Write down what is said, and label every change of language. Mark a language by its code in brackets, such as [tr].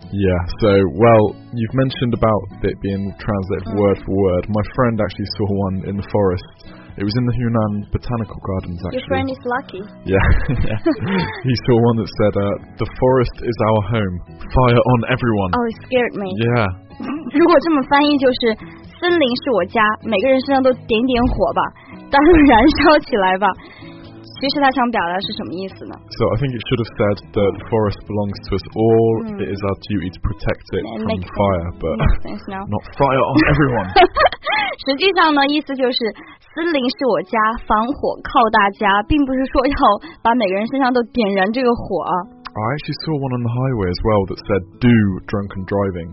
[en] Yeah. So, well, you've mentioned about it being translated word for word. My friend actually saw one in the forest. It was in the Hunan Botanical Gardens. Actually, your friend is lucky. Yeah. He saw one that said, "The forest is our home. Fire on everyone." Oh, it scared me. Yeah. [zh] 如果这么翻译就是森林是我家，每个人身上都点点火吧，当然燃烧起来吧。其实他想表达是什么意思呢？ [en] So I think it should have said that the forest belongs to us all. It is our duty to protect it from fire, but not fire on everyone. [zh] 实际上呢，意思就是森林是我家，防火靠大家，并不是说要把每个人身上都点燃这个火。 [en] I actually saw one on the highway as well that said do drunken driving.